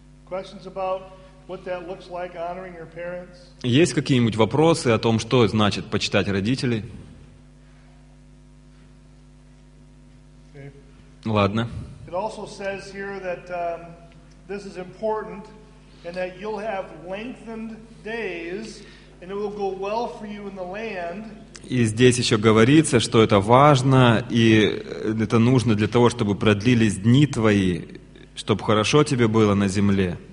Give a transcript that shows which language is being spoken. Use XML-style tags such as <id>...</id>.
<ru>Есть какие-нибудь вопросы о том, что значит почитать родителей? Ладно.</ru> <en>It also says here that this is important and that you'll have lengthened days and it will go well for you in the land.</en> <ru>И здесь еще говорится, что это важно и это нужно для того, чтобы продлились дни твои, чтобы хорошо тебе было на земле.</ru>